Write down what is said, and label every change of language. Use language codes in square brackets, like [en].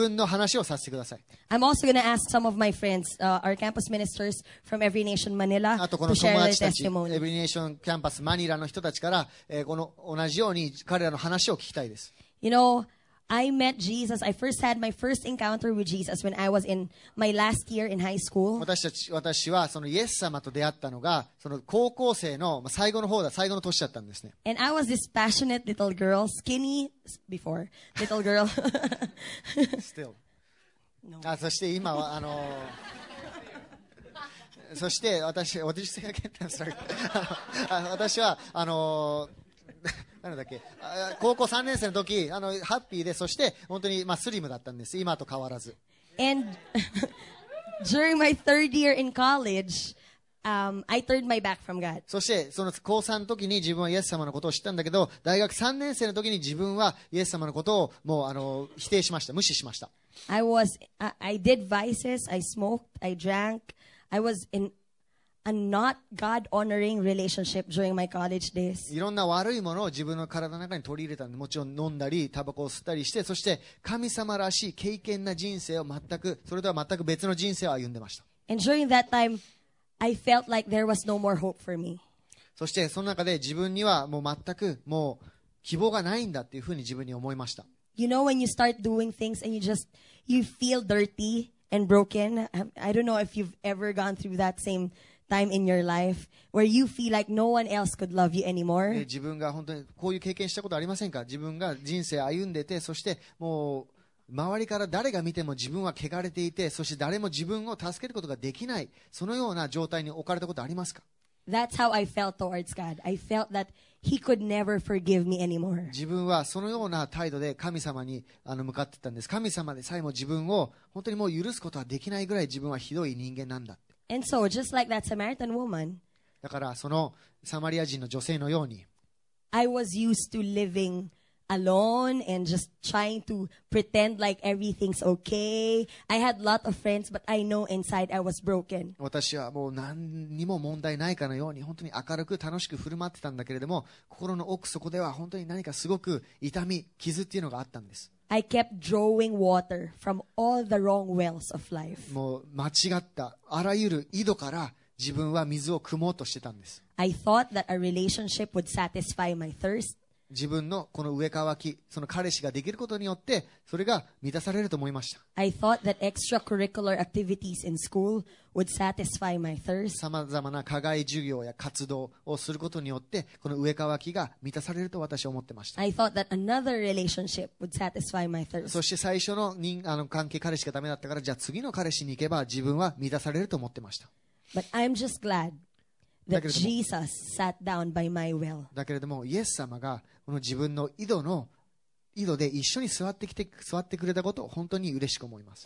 [en] I'm also going to ask some of my friends, our campus ministers from Every Nation Manila, to share their testimony. [ja] Every Nation Campus Manila の人たちから、この同じように彼らの話を聞きたいです。 [en] You know, I met Jesus. I first had my first encounter with Jesus when I was in my last year in high school. [ja] 私はそのイエス様と出会ったのがその高校生の最後の方だ、最後の年だったんですね。 [en] And I was this passionate little girl, skinny before little girl. Still. No. [ja] そして今はそして私、 [en] What did you say again? I'm sorry. [ja] 私はなんだっけ、高校3年生の時ハッピーで、そして本当に、まあ、スリムだったんです、今と変わらず。 [en] And during my third year in college, I turned my back from God. [ja] そしてその高3の時に自分はイエス様のことを知ったんだけど、大学3年生の時に自分はイエス様のことをもう否定しました、無視しました。 [en] I did vices, I smoked, I drank, I was inA not God-honoring relationship during my college days. [ja] いろんな悪いものを自分の体の中に取り入れたんで、もちろん飲んだりタバコを吸ったりして、そして神様らしい敬虔な人生を全く、それとは全く別の人生を歩んでました。 [en] And during that time, I felt like there was no more hope for me. [ja] そしてその中で自分にはもう全くもう希望がないんだっていうふうに自分に思いました。 [en] You know when you start doing things and you feel dirty and broken. I don't know if you've ever gone through that same. Time in your life where you feel like no one else could love you anymore. [ja] 自分が本当にこういう経験したことありませんか？自分が人生歩んでて、そしてもう周りから誰が見ても自分は汚れていて、そして誰も自分を助けることができない、そのような状態に置かれたことありますか？ [en] That's how I felt towards God. I felt that He could never forgive me anymore. [ja] 自分はそのような態度で神様に向かってたんです。神様でさえも自分を本当にもう許すことはできないぐらい自分はひどい人間なんだ。 [en] And so, just like that Samaritan woman, [ja] だからそのサマリア人の女性のように、 [en] I was used to living alone and just trying to pretend like everything's okay. I had lot of friends, but I know inside I was broken. [ja] 私はもう何にも問題ないかのように本当に明るく楽しく振る舞ってたんだけれども、心の奥底では本当に何かすごく痛み、傷っていうのがあったんです。 [en] I kept drawing water from all the wrong wells of life. [ja] もう間違ったあらゆる井戸から自分は水を汲もうとしてたんです。 [en] I thought that a relationship would satisfy my thirst. [ja] 自分のこの上渇き、その彼氏ができることによってそれが満たされると思いました。 [en] I thought that extracurricular activities in school would satisfy my thirst. [ja] さまざまな課外授業や活動をすることによってこの上渇きが満たされると私は思ってました。 [en] I thought that another relationship would satisfy my thirst. [ja] そして最初の関係、彼氏がダメだったから、じゃあ次の彼氏に行けば自分は満たされると思ってました。 [en] But I'm just glad. That Jesus sat down by my well. [ja] だけれども、イエス様がこの自分の井戸で一緒に座ってくれたことを本当に嬉しく思います。